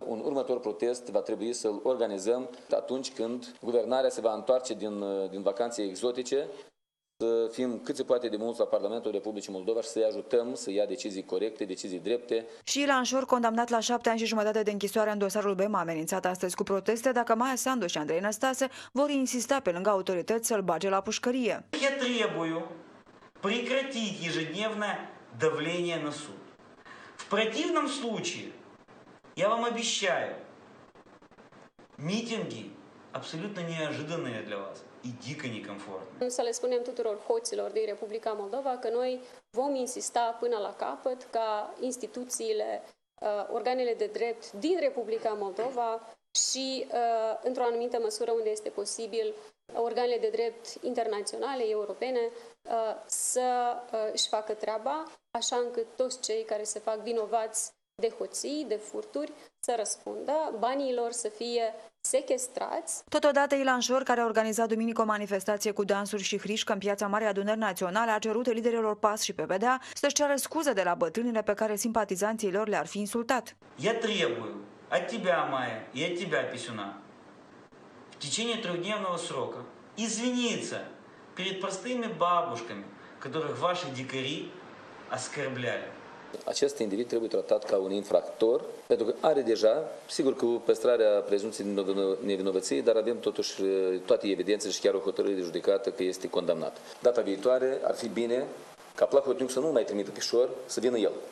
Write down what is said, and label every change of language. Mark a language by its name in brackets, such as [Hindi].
[Romanian] Un următor protest va trebui să-l organizăm atunci când guvernarea se va întoarce din vacanțe exotice, să fim cât se poate de mult la Parlamentul Republicii Moldova și să-i ajutăm să ia decizii corecte, decizii drepte. Și Ilan Șor, condamnat la 7 ani și jumătate de închisoare în dosarul BEM, a amenințat astăzi cu proteste dacă Maia Sandu și Andrei Năstase vor insista pe lângă autorități să-l bage la pușcărie. [Russian] Я требую прекратить ежедневное давление на суд. В противном случае, я вам обещаю, митинги абсолютно неожиданные для вас. [Romanian] Să le spunem tuturor hoților din Republica Moldova că noi vom insista până la capăt ca instituțiile, organele de drept din Republica Moldova și, într-o anumită măsură unde este posibil, organele de drept internaționale, europene, să își facă treaba așa încât toți cei care se fac vinovați de hoții, de furturi, să răspundă, banii lor să fie sechestrați. Totodată, Ilan Șor, care a organizat duminică o manifestație cu dansuri și hrișcă în piața Marii Adunări Naționale, a cerut liderilor PAS și PPDA să-și ceară scuze de la bătrânile pe care simpatizanții lor le-ar fi insultat. [Russian] Я требую от тебя, Майя, и от тебя, Писюна, в течение трехдневного срока извиниться перед простыми бабушками, которых ваши дикари оскорбляли. [Romanian] Acest individ trebuie tratat ca un infractor, pentru că are deja, sigur că păstrarea prezumției de nevinovăție, dar avem totuși toate evidențele și chiar o hotărâre de judecată că este condamnat. Data viitoare ar fi bine ca Plahotniuc să nu mai trimită pe Șor, să vină el.